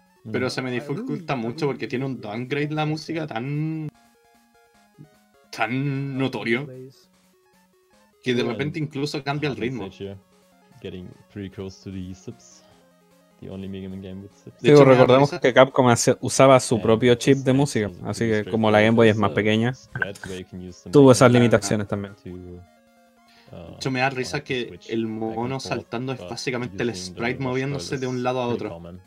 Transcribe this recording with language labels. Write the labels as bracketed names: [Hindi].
[Spanish] Pero se me dificulta mucho porque tiene un downgrade la música tan notorio que de repente incluso cambia el ritmo. [English] Getting pretty close to the SIPs, the only Mega Man game with SIPs. [Spanish] Digo, recordemos que Capcom usaba su propio chip de música, así que como la Game Boy es más pequeña, tuvo esas limitaciones también. Yo me da risa que el mono saltando es básicamente el sprite moviéndose de un lado a otro.